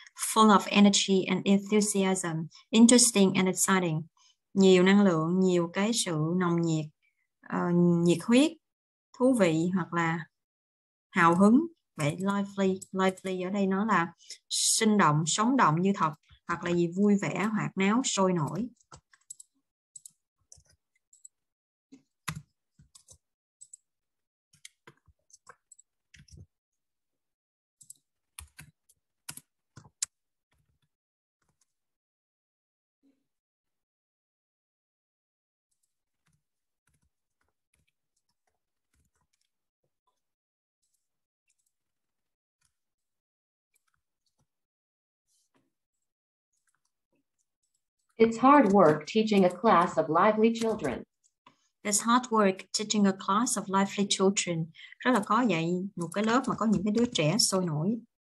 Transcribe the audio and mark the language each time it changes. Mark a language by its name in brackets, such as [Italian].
[English] Full of energy and enthusiasm, interesting and exciting. [Vietnamese] Nhiều năng lượng, nhiều cái sự nồng nhiệt, nhiệt huyết, thú vị hoặc là hào hứng. Vậy lively ở đây nó là sinh động, sống động như thật. Hoặc là gì vui vẻ, hoạt náo, sôi nổi. [English] It's hard work teaching a class of lively children. It's hard work teaching a class of lively children. [Vietnamese] Rất là khó dạy một cái lớp mà có những cái đứa trẻ sôi nổi.